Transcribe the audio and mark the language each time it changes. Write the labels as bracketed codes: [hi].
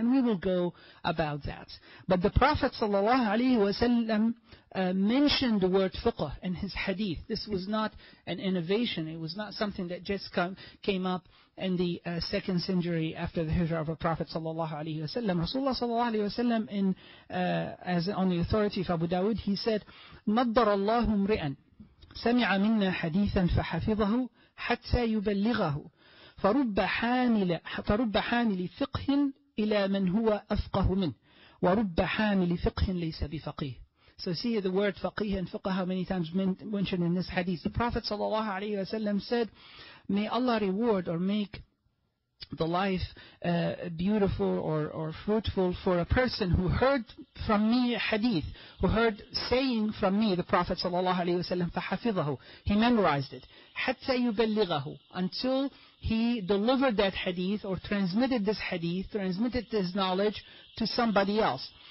[en] And we will go about that. But the Prophet ﷺ mentioned the word fiqh in his hadith. This was not an innovation. It was not something that just came up in the second century after the hijrah of the Prophet ﷺ. Rasulullah ﷺ, on the authority of Abu Dawud, he said, [ar] نَضَّرَ اللَّهُ مْرِئًا سَمِعَ مِنَّا حَدِيثًا فَحَفِظَهُ حَتَّى يُبَلِّغَهُ فَرُبَّ حَامِلِ فِقْهٍ إِلَى مَنْ هُوَ أَفْقَهُ مِنْهُ وَرُبَّ حَامِلِ فِقْهٍ لَيْسَ بِفَقِيهٍ. [en] So see the word faqih and fiqh, how many times mentioned in this hadith. The Prophet ﷺ said, may Allah reward or make the life beautiful or fruitful for a person who heard from me a hadith, who heard saying from me, the Prophet sallallahu alaihi wasallam, فَحَفِظَهُ, he memorized it, [ar] حَتَّى يُبَلِّغَهُ, [en] until he delivered that hadith or transmitted this hadith, transmitted this knowledge to somebody else.